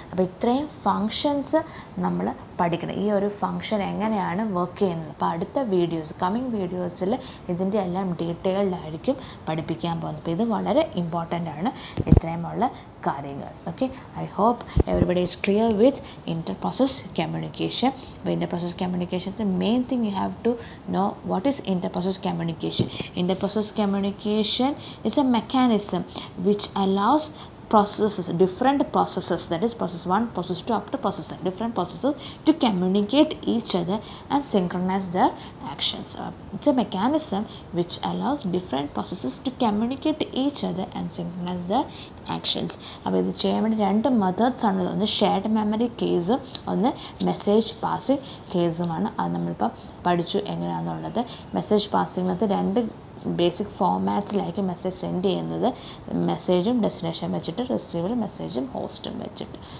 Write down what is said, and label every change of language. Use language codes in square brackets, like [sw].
[ml] അപ്പോൾ ഇത്രയും ഫങ്ഷൻസ് നമ്മൾ പഠിക്കണം. ഈ ഒരു ഫങ്ഷൻ എങ്ങനെയാണ് വർക്ക് ചെയ്യുന്നത്, അപ്പോൾ അടുത്ത വീഡിയോസ് കമ്മിങ് വീഡിയോസിൽ ഇതിൻ്റെ എല്ലാം ഡീറ്റെയിൽഡ് ആയിരിക്കും പഠിപ്പിക്കാൻ പോകുന്നത്. അപ്പോൾ ഇത് വളരെ ഇമ്പോർട്ടൻ്റ് ആണ് ഇത്രയുമുള്ള കാര്യങ്ങൾ. [en] Okay, I hope everybody is clear with inter process communication. അപ്പോൾ inter process കമ്മ്യൂണിക്കേഷൻ്റെ main thing you have to know what is inter process communication. Inter process communication is a mechanism which allows processes, different processes, that is process 1, process 2, up to process n, different processes to communicate each other and synchronize their actions. It's a mechanism which allows different processes to communicate each other and synchronize their actions. [ml] അപ്പോൾ ഇത് ചെയ്യാൻ വേണ്ടി രണ്ട് methods ആണ്, ഒന്ന് shared memory കേസും ഒന്ന് message passing കേസുമാണ്. അത് നമ്മളിപ്പോൾ പഠിച്ചു എങ്ങനെയാണെന്നുള്ളത്. മെസ്സേജ് പാസിംഗിനകത്ത് രണ്ട് ബേസിക് ഫോമാറ്റ്സിലായിരിക്കും മെസ്സേജ് സെൻഡ് ചെയ്യുന്നത്: മെസ്സേജും ഡെസ്റ്റിനേഷൻ വെച്ചിട്ട്, റിസീവറും മെസ്സേജും ഹോസ്റ്റും വെച്ചിട്ട്.